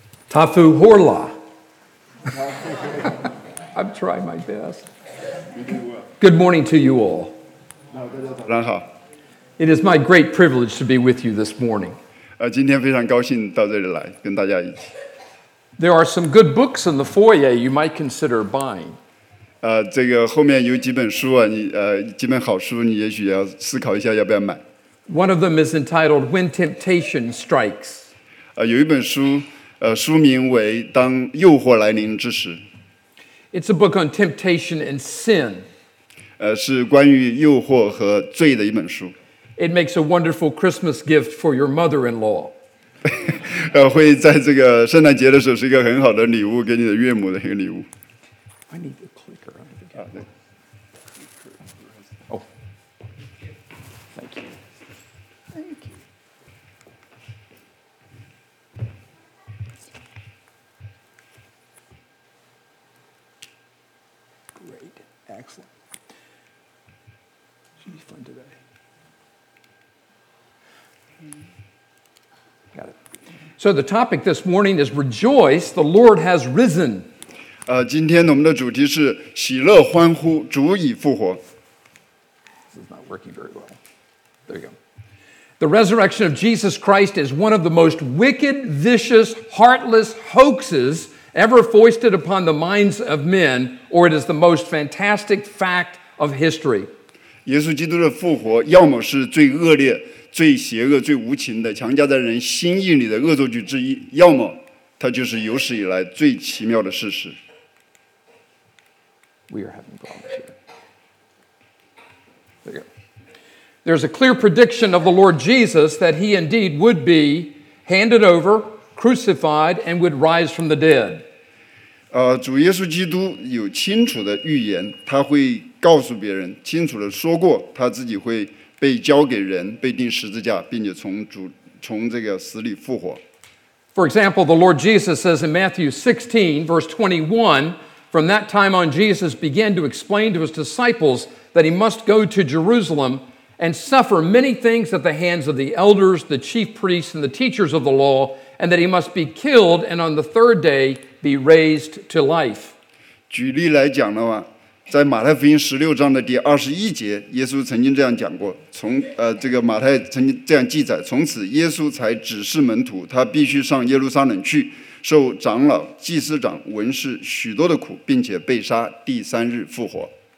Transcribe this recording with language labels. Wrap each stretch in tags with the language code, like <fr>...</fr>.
<en>Tafu Horla. I'm trying my best. Good morning to you all. It is my great privilege to be with you this morning.</en> <zh>今天非常高兴到这里来跟大家一起。</zh> <en>There are some good books in the foyer you might consider buying.</en> <zh>这个后面有几本书啊，你几本好书，你也许要思考一下要不要买。</zh> <en>One of them is entitled When Temptation Strikes.</en> <zh>有一本书，书名为《当诱惑来临之时》。</zh> <en>It's a book on temptation and sin.</en> <zh>是关于诱惑和罪的一本书。</zh> <en>It makes a wonderful Christmas gift for your mother-in-law.</en> <zh>会在这个圣诞节的时候是一个很好的礼物，给你的岳母的一个礼物。</zh> <en>I need the clicker. Thank you. Thank you. Great. Excellent. Should be fun today. Got it. So the topic this morning is Rejoice, the Lord has risen.</en> <zh>今天我们的主题是喜乐欢呼，主已复活。</zh> <en>This is not working very well. There you go. The resurrection of Jesus Christ is one of the most wicked, vicious, heartless hoaxes ever foisted upon the minds of men, or it is the most fantastic fact of history.</en> <zh>耶稣基督的复活要么是最恶劣最邪恶、最无情的，强加在人心意里的恶作剧之一；要么，它就是有史以来最奇妙的事实。</zh> <en>We are having problems here. There's a clear prediction of the Lord Jesus that He indeed would be handed over, crucified, and would rise from the dead.</en> <zh>主耶稣基督有清楚的预言，他会告诉别人，清楚的说过，他自己会。被交给人，被钉十字架，并且从这个死里复活。</zh> <en>For example, the Lord Jesus says in Matthew 16, verse 21, from that time on, Jesus began to explain to his disciples that he must go to Jerusalem and suffer many things at the hands of the elders, the chief priests, and the teachers of the law, and that he must be killed and on the third day be raised to life.</en> <zh>举例来讲的话。在马太福音16章的第21节，耶稣曾经这样讲过，这个马太曾经这样记载，从此耶稣才指示门徒，他必须上耶路撒冷去，受长老、祭司长、文士许多的苦，并且被杀，第三日复活。</zh>